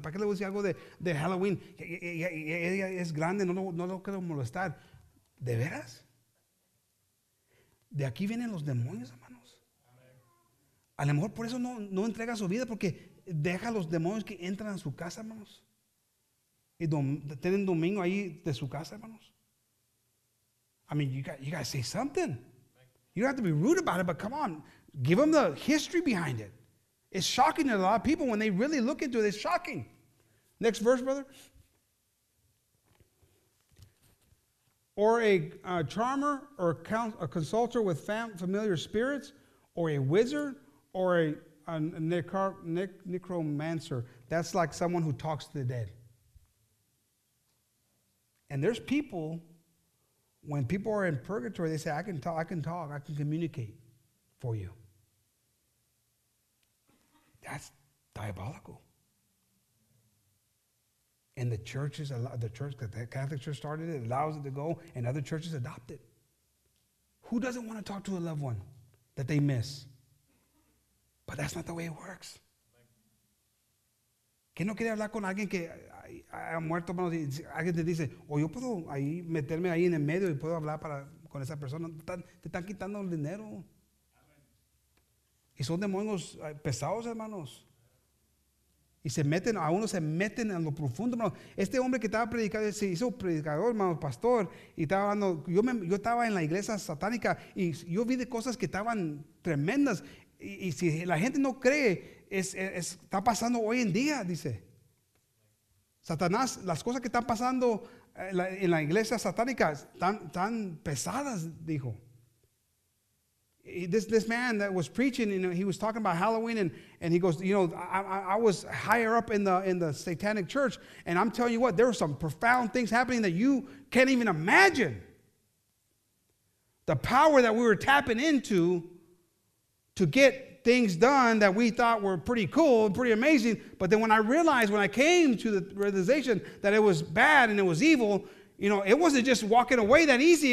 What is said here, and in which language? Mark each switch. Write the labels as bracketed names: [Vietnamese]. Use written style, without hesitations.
[Spanish] ¿Para qué le voy a decir algo de Halloween? Ella es grande, no lo quiero molestar. ¿De veras? De aquí vienen los demonios, hermanos. A lo mejor por eso no entrega su vida, porque deja a los demonios que entran a su casa, hermanos. Y tienen domingo ahí de su casa, hermanos. [English] I mean, you got to say something. You don't have to be rude about it, but come on. Give them the history behind it. It's shocking to a lot of people when they really look into it. It's shocking. Next verse, brother. Or a charmer or a consulter with familiar spirits, or a wizard, or a necromancer. That's like someone who talks to the dead. And there's people, when people are in purgatory, they say, I can talk, I can communicate for you. That's diabolical. And the Catholic Church started it, allows it to go, and other churches adopt it. Who doesn't want to talk to a loved one that they miss? But that's not the way it works. [Spanish] ¿Qué no quiere hablar con alguien que ha muerto? Alguien te dice, o yo puedo ahí meterme ahí en el medio y puedo hablar para con esa persona. Te están quitando el dinero. Y son demonios pesados, hermanos. Y se meten, a uno se meten en lo profundo, hermanos. Este hombre que estaba predicando, se hizo predicador, hermano, pastor, y estaba hablando, yo estaba en la iglesia satánica y yo vi de cosas que estaban tremendas. Y si la gente no cree, está pasando hoy en día, dice. Satanás, las cosas que están pasando en la iglesia satánica están tan pesadas, dijo. [English] This man that was preaching, you know, he was talking about Halloween, and he goes, you know, I was higher up in the satanic church, and I'm telling you what, there are some profound things happening that you can't even imagine. The power that we were tapping into to get things done that we thought were pretty cool and pretty amazing, but then when I came to the realization that it was bad and it was evil, you know, it wasn't just walking away that easy.